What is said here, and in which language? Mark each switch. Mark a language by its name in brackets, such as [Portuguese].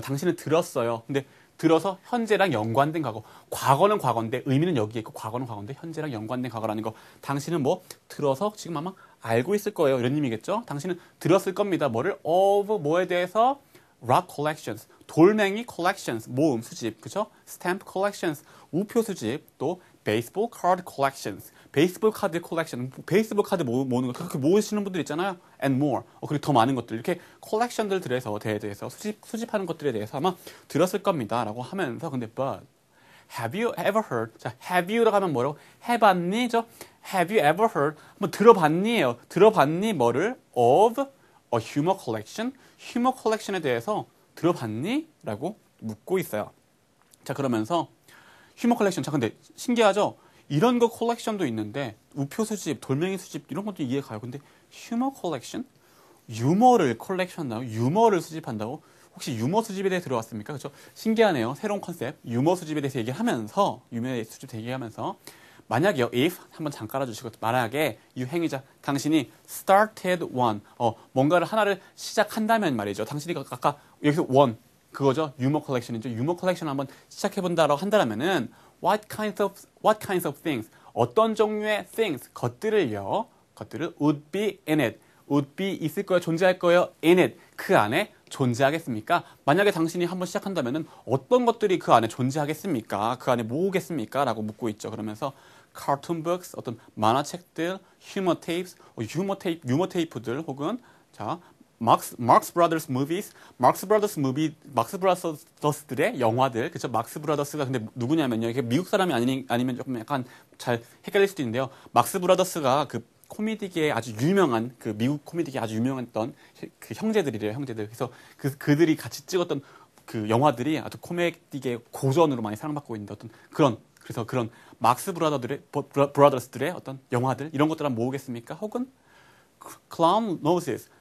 [Korean] 당신은 들었어요. 근데 들어서 현재랑 연관된 과거. 과거는 과거인데 의미는 여기에 있고 과거는 과거인데 현재랑 연관된 과거라는 거. 당신은 뭐 들어서 지금 아마 알고 있을 거예요. 이런 의미겠죠? 당신은 들었을 겁니다. 뭐를? Of 뭐에 대해서? Rock collections. 돌멩이 collections. 모음 수집. 그죠? Stamp collections. 우표 수집. [English] 또 baseball card collections. [Korean] 베이스볼 카드 컬렉션, 베이스볼 카드 모으는 거, 그렇게 모으시는 분들 있잖아요. [English] And more. [Korean] 그리고 더 많은 것들, 이렇게 컬렉션들 들에서, 대해서, 수집하는 것들에 대해서 아마 들었을 겁니다. 라고 하면서, 근데, [English] but, have you ever heard? [Korean] 자, have you라고 하면 뭐라고? 해봤니? 저, [English] have you ever heard? [Korean] 뭐, 들어봤니에요. 들어봤니? 뭐를? [English] Of a humor collection? [Korean] Humor collection에 대해서 들어봤니? 라고 묻고 있어요. 자, 그러면서, humor collection. 자, 근데, 신기하죠? 이런 거 컬렉션도 있는데 우표 수집, 돌멩이 수집 이런 것도 이해 가요. 근데 휴머 컬렉션? 유머를 컬렉션한다고? 유머를 수집한다고? 혹시 유머 수집에 대해 들어왔습니까? 그렇죠? 신기하네요. 새로운 컨셉. 유머 수집에 대해서 얘기하면서 유머 수집 얘기하면서 만약에요. if 한번 잠 깔아주시고 만약에 이 행위자 당신이 started one 뭔가를 하나를 시작한다면 말이죠. 당신이 아까 여기서 one 그거죠. 유머 컬렉션이죠. 유머 컬렉션 한번 시작해본다라고 한다면은 [English] What kinds of things? [Korean] 어떤 종류의 things? 것들을요. 것들을 [English] would be in it. [Korean] would be 있을 거예요. 존재할 거예요. in it. 그 안에 존재하겠습니까? 만약에 당신이 한번 시작한다면 어떤 것들이 그 안에 존재하겠습니까? 그 안에 뭐겠습니까? 라고 묻고 있죠. 그러면서 cartoon books, 어떤 만화책들, humor tapes, humor tape들 혹은 자, Marx Brothers movies, Marx Brothers movie, Marx Brothers들의 영화들, 그쵸? Marx Brothers가 근데 누구냐면요. 이게 미국 사람이 아니면 조금 약간 잘 헷갈릴 수도 있는데요. Marx Brothers가 그 코미디계에 아주 유명한, 그 미국 코미디계에 아주 유명했던 그 형제들이래요, 형제들. 그래서 그들이 같이 찍었던 그 영화들이 아주 코미디계의 고전으로 많이 사랑받고 있는데 어떤 그런, 그래서 그런 Marx Brothers들의 어떤 영화들, 이런 것들 한번 모으겠습니까? [English] 혹은 Clown Noses.